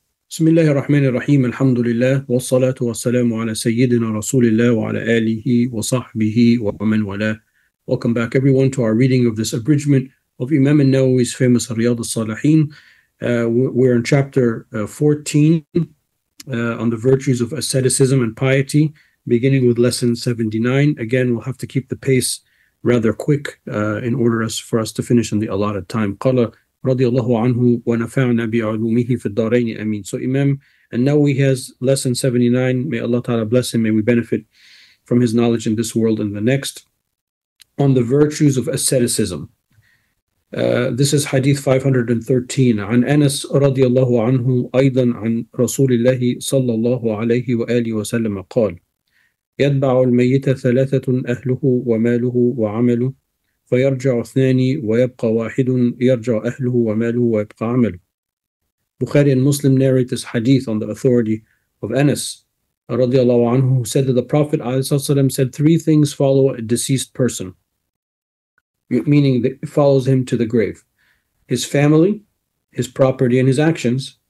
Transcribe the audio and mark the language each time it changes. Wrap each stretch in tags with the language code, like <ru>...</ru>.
<ar>بسم الله الرحمن الرحيم الحمد لله والصلاة والسلام على سيدنا رسول الله وعلى آله وصحبه ومن والاه.</ar> <en>Welcome back everyone to our reading of this abridgment of Imam al-Nawawi's famous Riyad al-Salihin. We're in chapter 14 on the virtues of asceticism and piety, beginning with lesson 79. Again, we'll have to keep the pace rather quick in order for us to finish in the allotted time.</en> <ar>قال رضي الله عنه ونفعنا بعلومه في الدارين أمين.</ar> <en>So Imam al-Nawawi has lesson 79. May Allah Ta'ala bless him. May we benefit from his knowledge in this world and the next. On the virtues of asceticism. This is Hadith 513.</en> <ar>عن أنس رضي الله عنه أيضا عن رسول الله صلى الله عليه وآله وسلم قال يتبع الميت ثلاثة أهله وماله وعمله فيرجع اثنان ويبقى واحد يرجع أهله وماله ويبقى عمله.</ar> <en>Bukhari and Muslim narrate this hadith on the authority of Anas</en> <ar>رضي الله عنه,</ar> <en>who said that the Prophet ﷺ said three things follow a deceased person, meaning that it follows him to the grave: his family, his property, and his actions.</en>